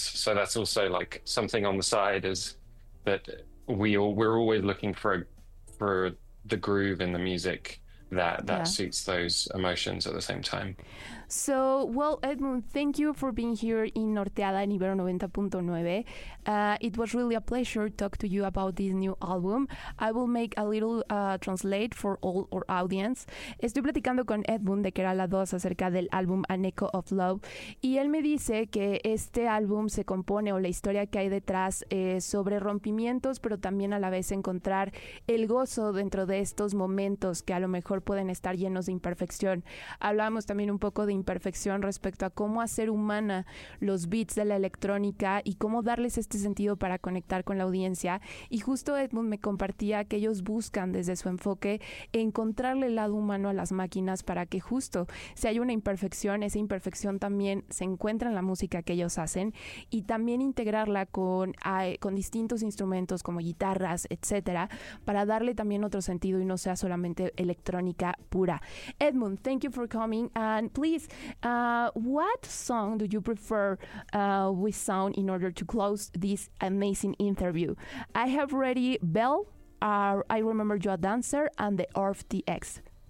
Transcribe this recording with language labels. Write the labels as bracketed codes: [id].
[en] So that's also like something on the side, is that we're always looking for the groove in the music that yeah. suits those emotions at the same time. So, well, Edmund, thank you for being here in Norteada in Ibero 90.9. It was really a pleasure to talk to you about this new album. I will make a little translate for all our audience. [es] Estoy platicando con Edmund de Kerala 2 acerca del álbum An Echo of Love, y él me dice que este álbum se compone, o la historia que hay detrás, sobre rompimientos, pero también a la vez encontrar el gozo dentro de estos momentos que a lo mejor pueden estar llenos de imperfección. Hablamos también un poco de imperfección respecto a cómo hacer humana los beats de la electrónica y cómo darles este sentido para conectar con la audiencia. Y justo Edmund me compartía que ellos buscan, desde su enfoque, encontrarle el lado humano a las máquinas, para que justo, si hay una imperfección, esa imperfección también se encuentra en la música que ellos hacen, y también integrarla con distintos instrumentos como guitarras, etcétera, para darle también otro sentido y no sea solamente electrónica pura. [en] Edmund, thank you for coming, and please, what song do you prefer we sound in order to close this amazing interview? I have ready Belle, I Remember You a Dancer, and the Orf TX.